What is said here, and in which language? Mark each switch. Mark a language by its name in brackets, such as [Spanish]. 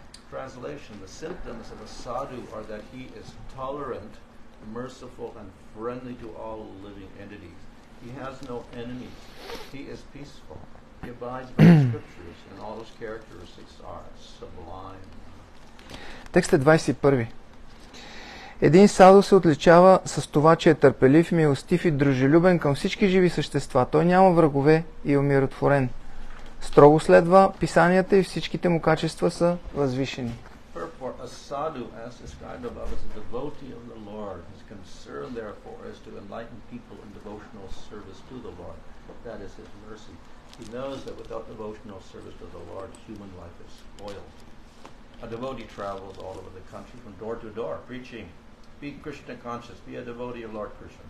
[English] Translation, the symptoms of a sadhu are that he is tolerant, merciful, and friendly to all living entities. He has no enemies. He is peaceful. He abides by the scriptures, and all those characteristics are sublime. [Bulgarian] Текст е 21. Един садо се отличава с това, че е търпелив, милостив и дружелюбен към всички живи същества. Той няма врагове и е умиротворен. Строго следва писанията и всичките му качества са възвишени. [English] Therefore, a sadhu, as described above, is a devotee of the Lord. His concern, therefore, is to enlighten people in devotional service to the Lord. That is his mercy. He knows that without devotional service to the Lord, human life is spoiled. A devotee travels all over the country from door to door, preaching, be Krishna conscious, be a devotee of Lord Krishna.